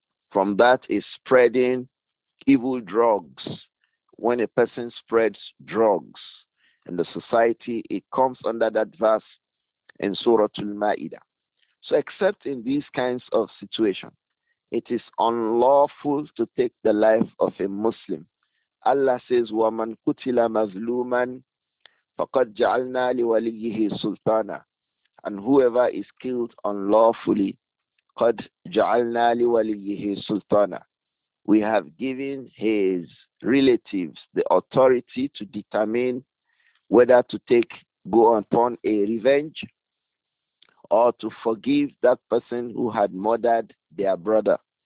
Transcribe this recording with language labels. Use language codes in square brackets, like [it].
[en] From that is spreading evil drugs. When a person spreads drugs in the society, it comes under that verse in Surah Al-Ma'idah. So except in these kinds of situations, it is unlawful to take the life of a Muslim. Allah says, [ar] وَمَنْ قُتِلَ مَظْلُومًا فَقَدْ جَعَلْنَا لِوَلِيِّهِ سُلْطَانًا. [en] And whoever is killed unlawfully, [ar] قَدْ جَعَلْنَا لِوَلِيِّهِ سُلْطَانًا. [en] We have given his relatives the authority to determine whether to take, go upon a revenge or to forgive that person who had murdered their brother.